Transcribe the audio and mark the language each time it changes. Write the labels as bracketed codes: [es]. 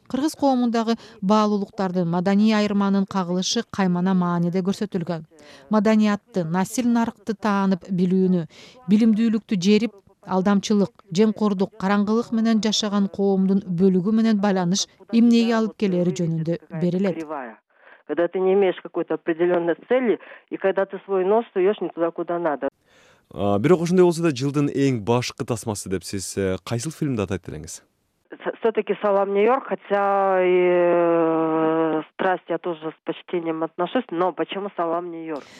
[ky] Кыргыз коомундагы баалуулуктардын маданий айырманын кагылышы каймана мааниде көрсөтүлгөн. Маданиятты, насил наркты таанып билүүнү, билимдүүлүктү жерип, алдамчылык, жемкордук, караңгылык менен жашаган коомдун бөлүгү менен байланыш эмнеге алып келери жөнүндө берилет. [ru] Когда ты не имеешь какой-то определённой цели и когда ты свой нос суёшь не туда, куда надо. [ky] Бирок ошондой болсо да жылдын эң башкы тасмасы деп сиз кайсыл фильмди атайт элеңиз? [ru] Все-таки «Салам, Нью-Йорк», хотя и страсть я тоже с почтением отношусь, но почему «Салам, Нью-Йорк»?